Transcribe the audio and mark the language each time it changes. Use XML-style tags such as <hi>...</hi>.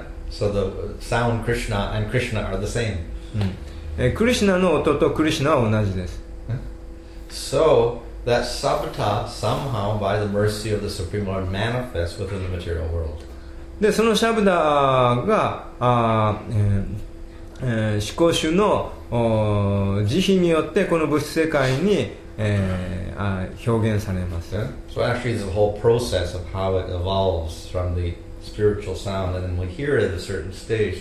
<en>So the sound Krishna and Krishna are the same.</en> <ja>クリシナの音とクリシナは同じです。</ja> <en>So,That sabda somehow by the mercy of the Supreme Lord manifests within the material world.</en> <ja>で、そのシャブダが、思考主の慈悲によってこの物質世界に、表現されます。</ja> <en>So actually, the whole process of how it evolves from the spiritual sound, and then we hear it at a certain stage.</en>